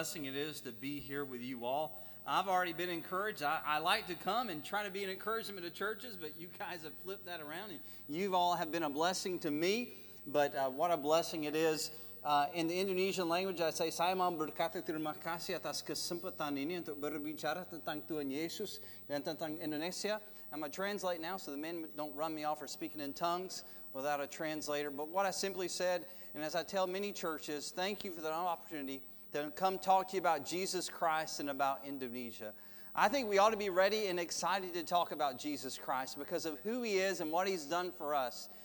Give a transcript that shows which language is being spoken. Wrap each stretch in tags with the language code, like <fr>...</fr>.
<en>Blessing it is to be here with you all. I've already been encouraged. I like to come and try to be an encouragement to churches, but you guys have flipped that around, and you all have been a blessing to me. But what a blessing it is. In the Indonesian language, I say,</en> <id>Saya memberkati terima kasih atas kesempatan ini untuk berbicara tentang Tuhan Yesus dan tentang Indonesia.</id> <en>I'm going to translate now so the men don't run me off for speaking in tongues without a translator. But what I simply said, and as I tell many churches, thank you for the opportunity to come talk to you about Jesus Christ and about Indonesia. I think we ought to be ready and excited to talk about Jesus Christ because of who he is and what he's done for us.</en>